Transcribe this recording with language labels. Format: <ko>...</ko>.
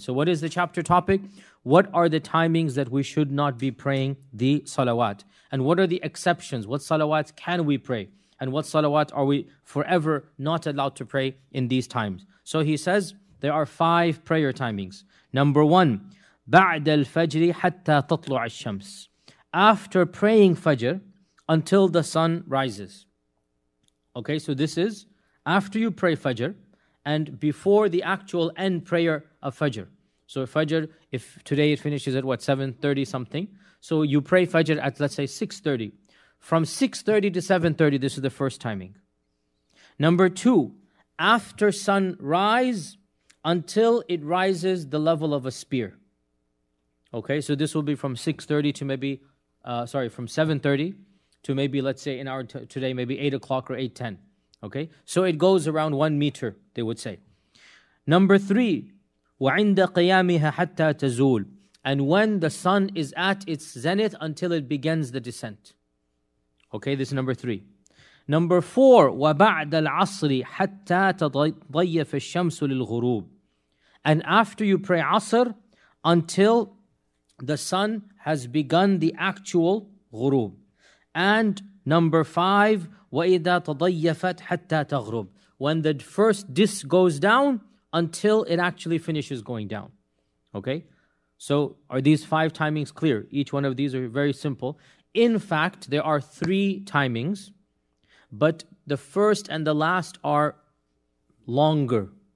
<en>So what is the chapter topic? What are the timings that we should not be praying the salawat? And what are the exceptions? What salawat can we pray? And what salawat are we forever not allowed to pray in these times? So he says, there are five prayer timings. Number one,</en> <ar>بعد الفجر حتى تطلع الشمس.</ar> <en>After praying Fajr, until the sun rises. Okay, so this is after you pray Fajr and before the actual end prayer of Fajr. So Fajr, if today it finishes at what, 7:30 something. So you pray Fajr at, let's say, 6:30. From 6:30 to 7:30, this is the first timing. Number two, after sun rise until it rises the level of a spear. Okay, so this will be from 6:30 to maybe, from 7:30 to maybe, let's say, in our today, maybe 8 o'clock or 8:10. Okay, so it goes around 1 meter, they would say. Number three,</en> <ar>وَعِنْدَ قِيَامِهَا حَتَّى تَزُولُ.</ar> <en>And when the sun is at its zenith until it begins the descent. Okay, this is number three. Number four,</en> <ar>وَبَعْدَ الْعَصْرِ حَتَّى تَضَيَّفَ الشَّمْسُ لِلْغُرُوبِ.</ar> <en>And after you pray Asr, until the sun has begun the actual ghurub. And number five,</en> <ar>وَإِذَا تَضَيَّفَتْ حَتَّى تَغْرُبْ.</ar> <en>When the first disc goes down until it actually finishes going down. Okay? So are these five timings clear? Each one of these are very simple. In fact, there are three timings, but the first and the last are longer.</en>